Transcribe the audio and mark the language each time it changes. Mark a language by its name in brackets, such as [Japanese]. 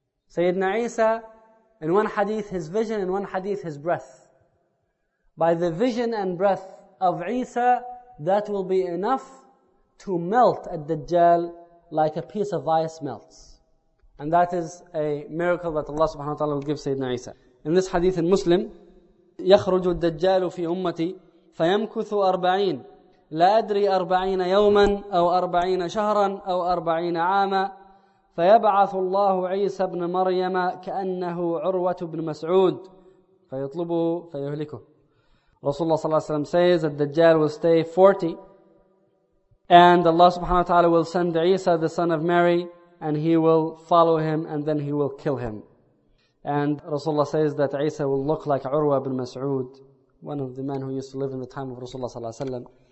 [English] Sayyidina Isa, in one hadith his vision, in one hadith his breath. By the vision and breath of Isa, that will be enough to melt Ad-Dajjal like a piece of ice melts. And that is a miracle that Allah subhanahu wa ta'ala will give Sayyidina Isa. In this hadith in Muslim, [Arabic] يَخْرُجُ الدَّجَّالُ فِي أُمَّتِي فَيَمْكُثُ أَرْبَعِينَ لَا أَدْرِي أَرْبَعِينَ يَوْمًا أَوْ أَرْبَعِينَ شَهْرًا أَوْ أَرْبَعِينَ عَامًا فَيَبْعَثُ اللَّهُ عِيسَى بْنَ مَرْيَمَ كَأَنَّهُ عُرْوَةُ بْنَ مَسْعُودٍ فَيَطْلُبُهُ فَيُهْلِكُهُ. [English] Rasulullah sallallahu alayhi wa sallam says that Dajjal will stay 40 and Allah subhanahu wa ta'ala will send Isa, the son of Mary, and he will follow him and then he will kill him. And Rasulullah says that Isa will look like Urwa ibn Mas'ud, one of the men who used to live in the time of Rasulullah sallallahu alayhi wa sallam.